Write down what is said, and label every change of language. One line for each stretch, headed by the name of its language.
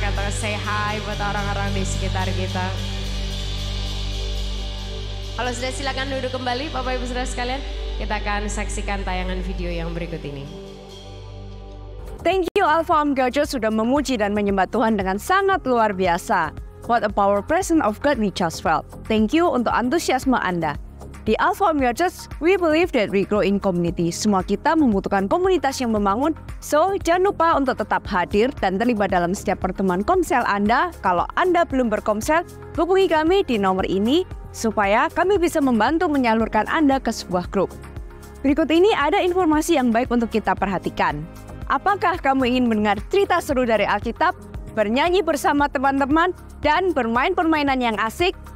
Indonesian: Kata
English: say hi
Indonesian: buat orang-orang di sekitar kita. Kalau sudah silakan duduk kembali Bapak Ibu Saudara sekalian. Kita akan saksikan tayangan video yang berikut ini.
English: Thank you
Indonesian: Alpha Om Gojo sudah memuji dan menyembah Tuhan dengan sangat luar biasa.
English: What a power presence of God we just felt. Thank you
Indonesian: untuk antusiasme Anda.
English: Di Alpha Om Gojo, we believe that we grow in community.
Indonesian: Semua kita membutuhkan komunitas yang membangun. So, jangan lupa untuk tetap hadir dan terlibat dalam setiap pertemuan komsel Anda. Kalau Anda belum berkomsel, hubungi kami di nomor ini supaya kami bisa membantu menyalurkan Anda ke sebuah grup. Berikut ini ada informasi yang baik untuk kita perhatikan. Apakah kamu ingin mendengar cerita seru dari Alkitab, bernyanyi bersama teman-teman, dan bermain permainan yang asik?